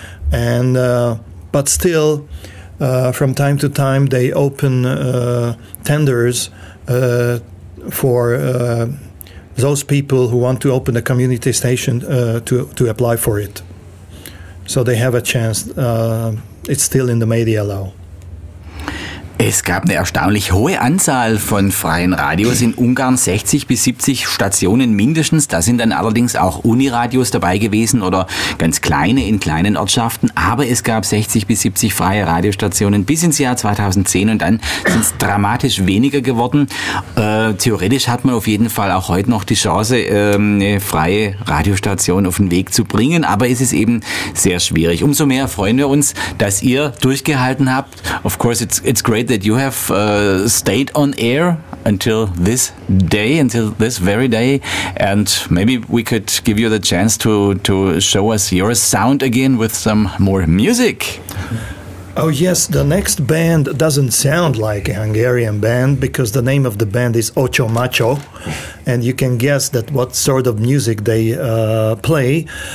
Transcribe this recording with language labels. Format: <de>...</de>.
<en>And but still, from time to time, they open tenders for those people who want to open a community station to apply for it. So they have a chance. It's still in the media law.</en> <de>Es gab eine erstaunlich hohe Anzahl von freien Radios in Ungarn, 60 bis 70 Stationen mindestens. Da sind dann allerdings auch Uniradios dabei gewesen oder ganz kleine in kleinen Ortschaften. Aber es gab 60 bis 70 freie Radiostationen bis ins Jahr 2010 und dann sind es dramatisch weniger geworden. Theoretisch hat man auf jeden Fall auch heute noch die Chance, eine freie Radiostation auf den Weg zu bringen, aber es ist eben sehr schwierig. Umso mehr freuen wir uns, dass ihr durchgehalten habt.</de> <en>Of course, it's great that you have stayed on air until this day, until this very day, and maybe we could give you the chance to show us your sound again with some more music. Oh yes, the next band doesn't sound like a Hungarian band because the name of the band is Ocho Macho, and you can guess that what sort of music they play.</en>